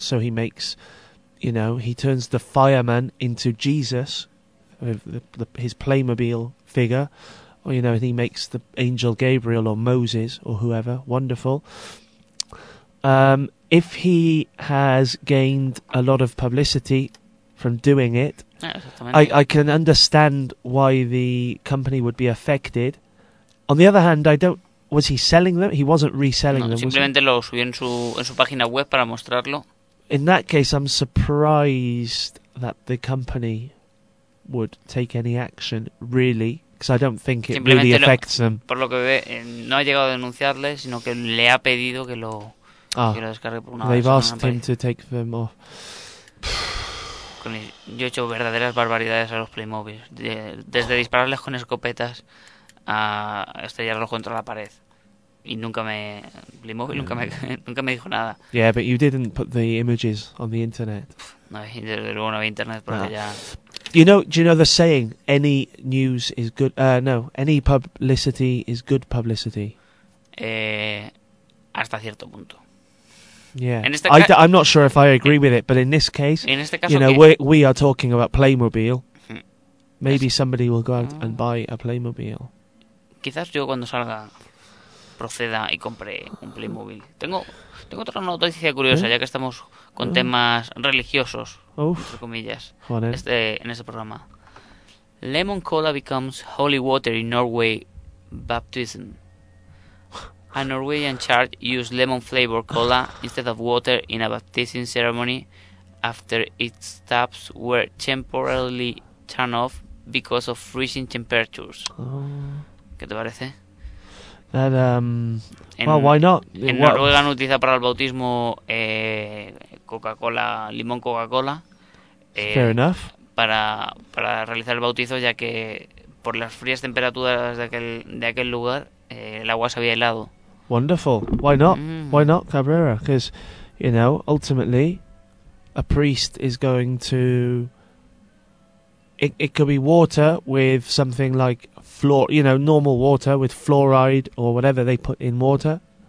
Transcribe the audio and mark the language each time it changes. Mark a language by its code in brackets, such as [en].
[en] So he makes, you know, he turns the fireman into Jesus, his Playmobil figure, or, you know, and he makes the angel Gabriel or Moses or whoever wonderful. If he has gained a lot of publicity from doing it, I can understand why the company would be affected. On the other hand, I don't. Was he selling them? He wasn't reselling them. [es] Simplemente lo subió en su página web para mostrarlo. [en] In that case, I'm surprised that the company would take any action, really, because I don't think it really affects them. [es] Por lo que ve, no ha llegado a denunciarle, sino que le ha pedido que lo descargue por una vez. [en] They've asked him to take them off. [es] Yo he hecho verdaderas barbaridades a los Playmobil, desde dispararles con escopetas a estrellarlos contra la pared. Y nunca me dijo nada. [en] Yeah, but you didn't put the images on the internet. [es] No, desde luego no había internet porque ya. [en] Do you know the saying? Any news is good. No, any publicity is good publicity. [es] Hasta cierto punto. [en] Yeah. I'm not sure if I agree with it, but in this case, you know, we are talking about Playmobil. Maybe somebody will go out and buy a Playmobil. [es] Quizás yo cuando salga proceda y compre un Playmobil. Tengo otra noticia curiosa, ya que estamos con temas religiosos, entre comillas, en este programa. [en] Lemon cola becomes holy water in Norway baptism. A Norwegian church used lemon-flavored cola instead of water in a baptism ceremony after its taps were temporarily turned off because of freezing temperatures. [es] ¿Qué te parece? [en] Why not? [es] En Noruega han utilizado para el bautismo Coca-Cola, limón Coca-Cola. [en] Fair enough. [es] Para realizar el bautizo, ya que por las frías temperaturas de aquel lugar, el agua se había helado. [en] Wonderful. Why not? Why not, Cabrera? Because, you know, ultimately, a priest is going to. It could be water with something like normal water with fluoride or whatever they put in water.